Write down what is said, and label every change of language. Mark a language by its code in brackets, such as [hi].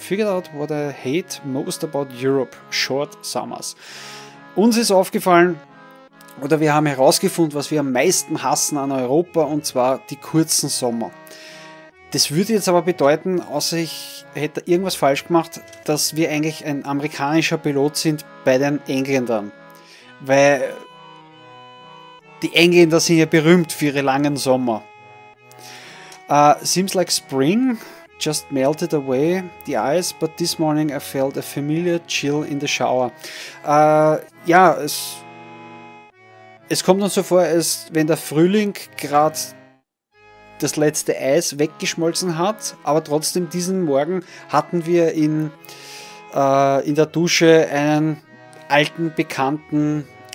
[en] I figured out what I hate most about Europe. Short summers. [de] Uns ist aufgefallen, oder wir haben herausgefunden, was wir am meisten hassen an Europa, und zwar die kurzen Sommer. Das würde jetzt aber bedeuten, außer ich hätte irgendwas falsch gemacht, dass wir eigentlich ein amerikanischer Pilot sind bei den Engländern. Weil die Engländer sind ja berühmt für ihre langen Sommer. [en] Seems like spring just melted away the ice, but this morning I felt a familiar chill in the shower. [de] Ja, es kommt uns so vor, als wenn der Frühling gerade das letzte Eis weggeschmolzen hat, aber trotzdem diesen Morgen hatten wir in der Dusche einen alten, bekannten